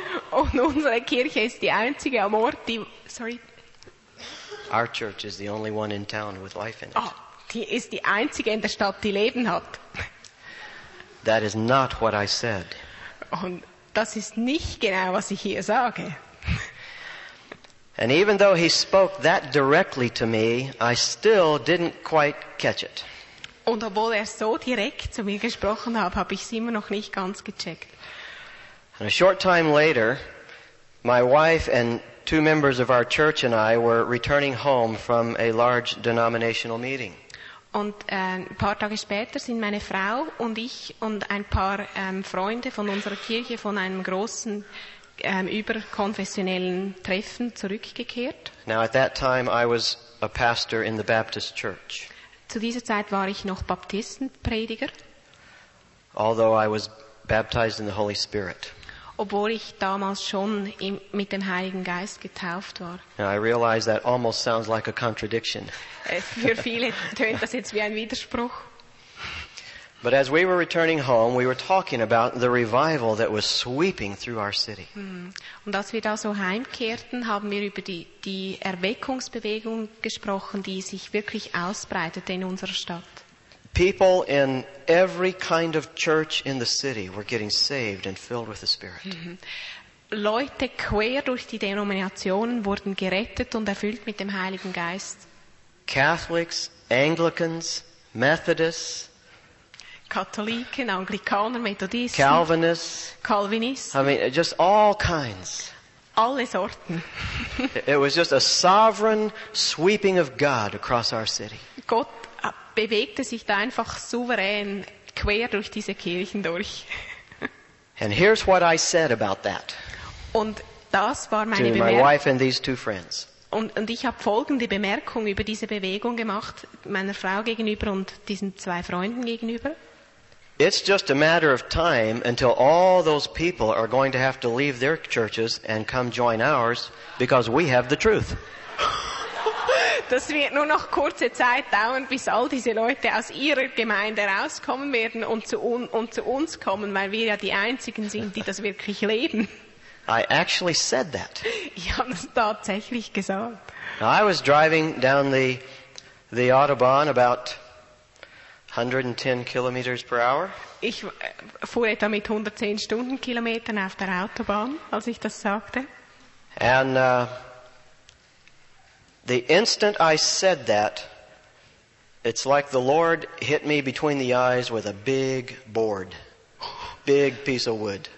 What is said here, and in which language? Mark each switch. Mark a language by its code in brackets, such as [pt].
[de] Und unsere Kirche ist die einzige am Ort, die... [en] Sorry. Our church is the only one in town with life in it. [de] Oh, die ist die einzige in der Stadt, die Leben hat. [en] That is not what I said. [de] Und das ist nicht genau, was ich hier sage. [en] And even though he spoke that directly to me, I still didn't quite catch it. [de] Und obwohl so direkt zu mir gesprochen hat, habe ich es immer noch nicht ganz gecheckt. [en] And a short time later, my wife and two members of our church and I were returning home from a large denominational meeting. [de] Und ein paar Tage später sind meine Frau und ich und ein paar Freunde von unserer Kirche von einem großen überkonfessionellen Treffen zurückgekehrt. [en] Now at that time I was a pastor in the Baptist church. [de] Zu dieser Zeit war ich noch Baptistenprediger. [en] Although I was baptized in the Holy Spirit. [de] Obwohl ich damals schon mit dem Heiligen Geist getauft war. [en] Now I realize that almost sounds like a contradiction. [de] Für viele tönt das jetzt wie ein Widerspruch. [en] But as we were returning home, we were talking about the revival that was sweeping through our city. [de] Und als wir da so heimkehrten, haben wir über die Erweckungsbewegung gesprochen, die sich wirklich ausbreitete in unserer Stadt. [en] People in every kind of church in the city were getting saved and filled with the Spirit. [de] Leute quer durch die Denominationen wurden gerettet und erfüllt mit dem Heiligen Geist. [en] Catholics, Anglicans, Methodists, [de] Katholiken, Anglikaner, Methodisten, [en] Calvinists. I mean, just all kinds. [de] Alle Sorten. [en] It was just a sovereign sweeping of God across our city. [de] Gott bewegte sich da einfach souverän quer durch diese Kirchen durch. [en] And here's what I said about that. [de] Und das war meine [en] Bemerkung. To my wife and these two friends. [de] Und ich habe folgende Bemerkung über diese Bewegung gemacht, meiner Frau gegenüber und diesen zwei Freunden gegenüber. [en] It's just a matter of time until all those people are going to have to leave their churches and come join ours, because we have the truth. [de] Das wird nur noch kurze Zeit dauern, bis all diese Leute aus ihrer Gemeinde rauskommen werden und zu uns kommen, weil wir ja die einzigen sind, die das wirklich leben. [en] I actually said that. [de] Ich habe es tatsächlich gesagt. [en] Now, I was driving down the Autobahn about 110 kilometers per hour. [de] Ich fuhr etwa mit 110 Stundenkilometern auf der Autobahn, als ich das sagte. [en] And the instant I said that, it's like the Lord hit me between the eyes with a big board, big piece of wood.